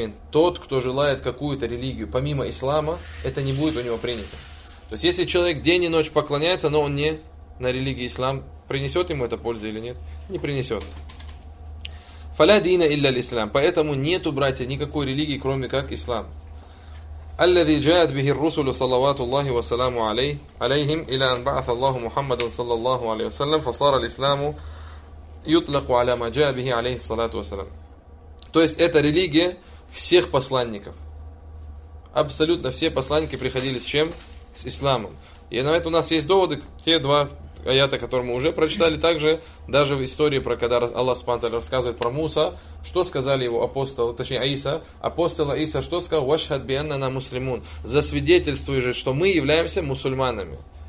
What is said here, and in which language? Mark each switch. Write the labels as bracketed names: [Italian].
[Russian] Тот, кто желает какую-то религию помимо ислама, это не будет у него принято. То есть если человек день и ночь поклоняется, но он не на религии ислам, принесет ему это пользу или нет? Не принесет. [Arabic] «Фала дина илля ль-Ислам». [Russian] Поэтому нету, братья, никакой религии, кроме как ислам. [Arabic] الذي جاءت به الرسل صلوات الله وسلامه عليهم إلى أن بعث الله محمدا صلى الله عليه وسلم فصار الإسلام يطلق على ما جاء به عليه الصلاة والسلام. [Russian] То есть это религия всех посланников. Абсолютно все посланники приходили с чем? С исламом. И на это у нас есть доводы, те два аята, которые мы уже прочитали, также даже в истории, про когда Аллах субхана ва тааля рассказывает про Муса, что сказали его апостолы, точнее Иса, апостола Иса, что сказал: [Arabic] «Вашхад би аннана муслимун», [Russian] засвидетельствуй же, что мы являемся мусульманами.